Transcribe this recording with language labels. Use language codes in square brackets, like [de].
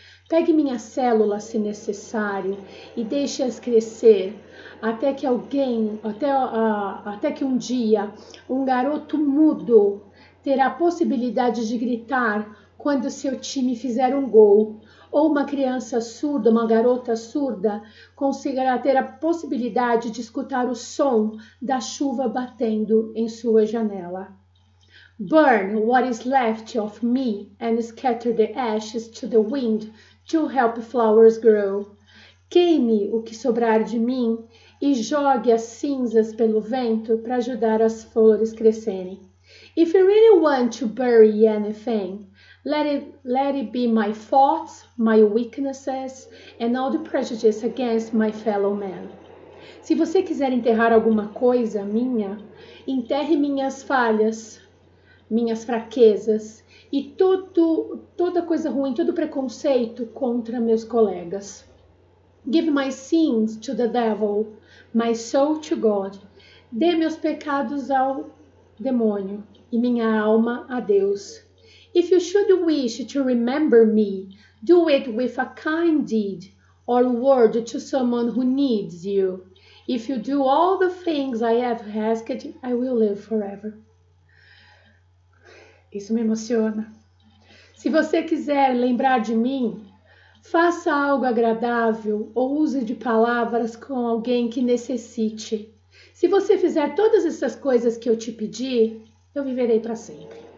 [pt] Pegue minha célula, se necessário, e deixe-as crescer até que alguém, até que um dia, um garoto mudo terá a possibilidade de gritar quando seu time fizer um gol, ou uma criança surda, uma garota surda, conseguirá ter a possibilidade de escutar o som da chuva batendo em sua janela. [en] Burn what is left of me and scatter the ashes to the wind to help flowers grow. [pt] Queime o que sobrar de mim e jogue as cinzas pelo vento para ajudar as flores crescerem. [en] If you really want to bury anything, let it be my faults, my weaknesses, and all the prejudice against my fellow man. [pt] Se você quiser enterrar alguma coisa minha, enterre minhas falhas, minhas fraquezas e toda coisa ruim, todo preconceito contra meus colegas. [en] Give my sins to the devil, my soul to God. [pt] Dê meus pecados ao demônio e minha alma a Deus. [en] If you should wish to remember me, do it with a kind deed or word to someone who needs you. If you do all the things I have asked, I will live forever. [pt] Isso me emociona. Se você quiser lembrar de mim, faça algo agradável ou use de palavras com alguém que necessite. Se você fizer todas essas coisas que eu te pedi, eu viverei para sempre.